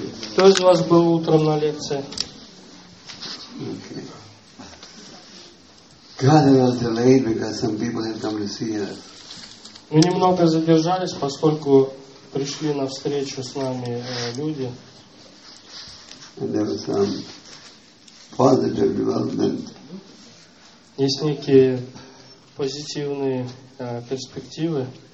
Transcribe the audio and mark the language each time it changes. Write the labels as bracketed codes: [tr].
[ru] Кто из вас был утром на лекции? [en] God, we are delayed because some people have come to see us. [ru] Мы немного задержались, поскольку пришли на встречу с нами люди. [en] And there was some positive development. [ru] Есть некие позитивные перспективы.